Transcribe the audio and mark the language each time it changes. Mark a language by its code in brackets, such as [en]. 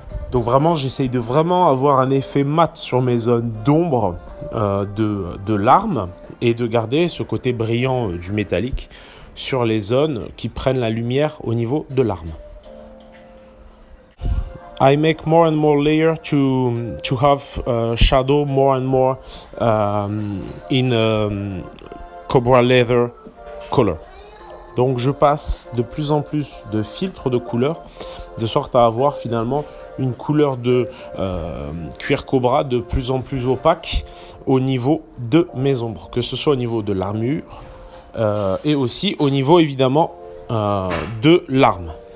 [fr] Donc vraiment, j'essaye de vraiment avoir un effet mat sur mes zones d'ombre de l'arme et de garder ce côté brillant du métallique sur les zones qui prennent la lumière au niveau de l'arme. [en] I make more and more layer to have shadow more and more in cobra leather color. [fr] Donc je passe de plus en plus de filtres de couleurs, de sorte à avoir finalement une couleur de cuir cobra de plus en plus opaque au niveau de mes ombres, que ce soit au niveau de l'armure et aussi au niveau évidemment de l'arme.